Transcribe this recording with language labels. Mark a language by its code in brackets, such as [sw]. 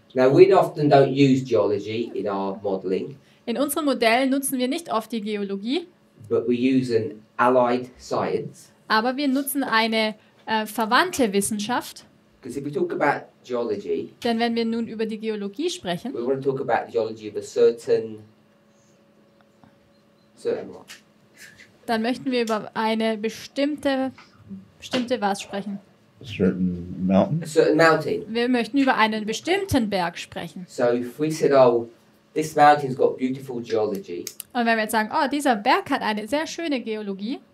[en] Now we often don't use geology in our modeling. [de] In unseren Modellen nutzen wir nicht oft die Geologie. [en] But we use an allied science. [de] Aber wir nutzen eine verwandte Wissenschaft. [en] Because if we talk about geology, [de] denn wenn wir nun über die Geologie sprechen, [en] we want to talk about the geology of a certain rock. [de] Dann möchten wir über eine bestimmte was sprechen. [en] A certain mountain. A certain mountain. [de] Wir möchten über einen bestimmten Berg sprechen. [en] So if we said, oh, this mountain's got beautiful geology. [de] Und wenn wir jetzt sagen, oh, dieser Berg hat eine sehr schöne Geologie.